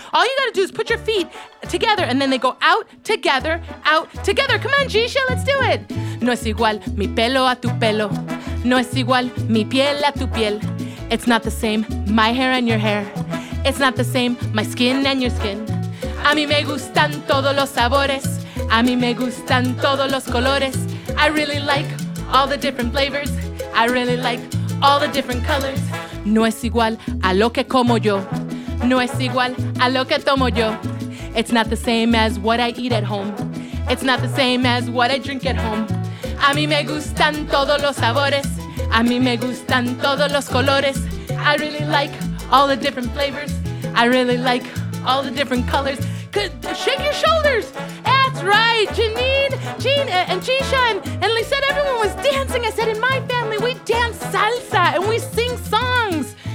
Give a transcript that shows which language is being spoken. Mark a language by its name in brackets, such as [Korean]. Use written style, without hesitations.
[English] All you got to do is put your feet together." And then they go out, together, out, together. "Come on, Jisha, let's do it." [Spanish] "No es igual mi pelo a tu pelo. No es igual mi piel a tu piel. [English] It's not the same, my hair and your hair. It's not the same, my skin and your skin. [Spanish] A mí me gustan todos los sabores. A mí me gustan todos los colores. [English] I really like all the different flavors. I really like all the different colors. [Spanish] No es igual a lo que como yo. No es igual a lo que tomo yo. [English] It's not the same as what I eat at home. It's not the same as what I drink at home. [Spanish] A mí me gustan todos los sabores. A mí me gustan todos los colores. [English] I really like all the different flavors. I really like all the different colors." Shake your shoulders. That's right. Janine, Jean, and Jisha, and Lisette, everyone was dancing. I said, "In my family, we dance salsa and we sing songs."